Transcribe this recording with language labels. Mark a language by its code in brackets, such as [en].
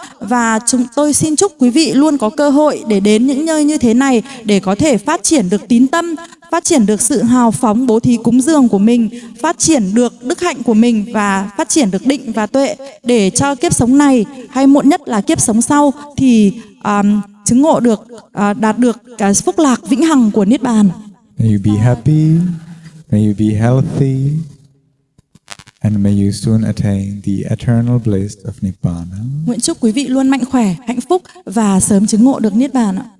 [vi] Và chúng tôi xin chúc quý vị luôn có cơ hội để đến những nơi như thế này để có thể phát triển được tín tâm, phát triển được sự hào phóng bố thí cúng dường của mình, phát triển được đức hạnh của mình và phát triển được định và tuệ để cho kiếp sống này hay muộn nhất là kiếp sống sau thì chứng ngộ được, đạt được cái phúc lạc vĩnh hằng của Niết Bàn. [en] May you be happy, may you be healthy, and may you soon attain the eternal bliss of Nibbana. [vi] Nguyện chúc quý vị luôn mạnh khỏe, hạnh phúc và sớm chứng ngộ được Niết Bàn.